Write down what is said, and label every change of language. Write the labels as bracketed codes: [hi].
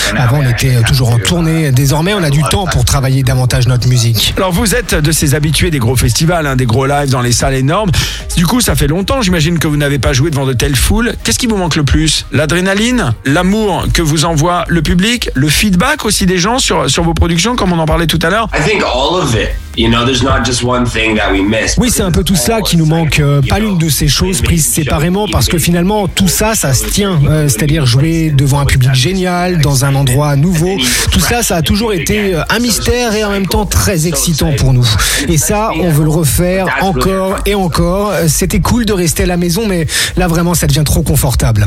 [fr] Avant, on était toujours en tournée. Désormais, on a du temps pour travailler davantage notre musique. Alors, vous êtes de ces habitués des gros festivals, hein, des gros lives dans les salles énormes. Du coup, ça fait longtemps, j'imagine, que vous n'avez pas joué devant de telles foules. Qu'est-ce qui vous manque le plus? L'adrénaline? L'amour que vous envoie le public? Le feedback aussi des gens sur vos productions, comme on en parlait tout à l'heure? [en] I think all of it. You know, there's not just one thing that we miss. [fr] Oui, c'est un peu tout cela qui nous manque. Pas l'une de ces choses prises séparément, parce que finalement, tout ça, ça se tient. C'est-à-dire jouer devant un public génial, dans un endroit nouveau. Tout cela, ça a toujours été un mystère et en même temps très excitant pour nous. Et ça, on veut le refaire encore et encore. C'était cool de rester à la maison, mais là, vraiment, ça devient trop confortable.